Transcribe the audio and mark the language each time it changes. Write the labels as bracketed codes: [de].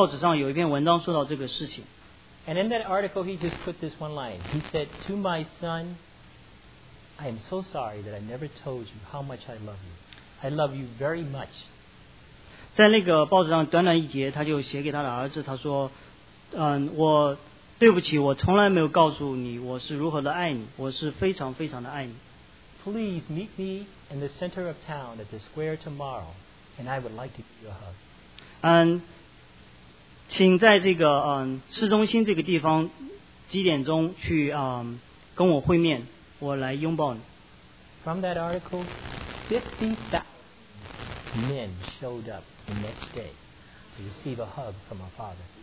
[zh] 在一个报纸上有一篇文章说到这个事情。 [en] And in that article, he just put this one line. He said, "To my son, I am so sorry that I never told you how much I love you. I love you very much." [zh] 在那个报纸上短短一节，他就写给他的儿子，他说，我。对不起，我从来没有告诉你，我是如何的爱你，我是非常非常的爱你。 [en] Please meet me in the center of town at the square tomorrow, and I would like to give you a hug. [zh] 请在这个市中心这个地方几点钟去跟我会面，我来拥抱你。 [en] From that article, 50,000 men showed up the next day to receive a hug from a father.